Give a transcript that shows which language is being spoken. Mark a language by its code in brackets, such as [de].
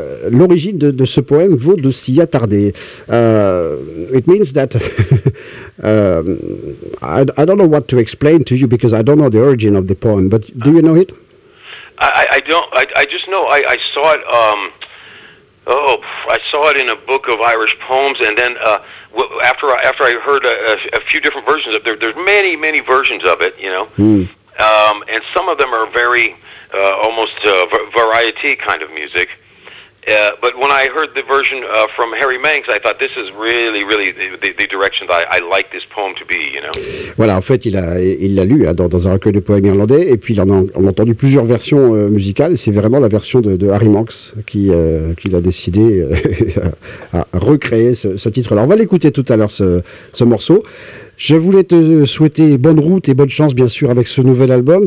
[fr] L'origine de ce poème vaut de s'y attarder. [en] It means that I don't know what to explain to you because I don't know the origin of the poem. But do you know it? I just know I saw it. I saw it in a book of Irish poems, and then after I heard a few different versions of it, there's many, many versions of it, you know. And some of them are very, almost variety kind of music. But when I heard the version from Harry Manx, I thought, this is really, really the direction that I like this poem to be, you know. [fr] Voilà, en fait, il l'a lu hein, dans un recueil de poèmes irlandais, et puis on a entendu plusieurs versions musicales, et c'est vraiment la version de Harry Manx qui l'a décidé à recréer ce titre-là. On va l'écouter tout à l'heure, ce morceau. Je voulais te souhaiter bonne route et bonne chance, bien sûr, avec ce nouvel album.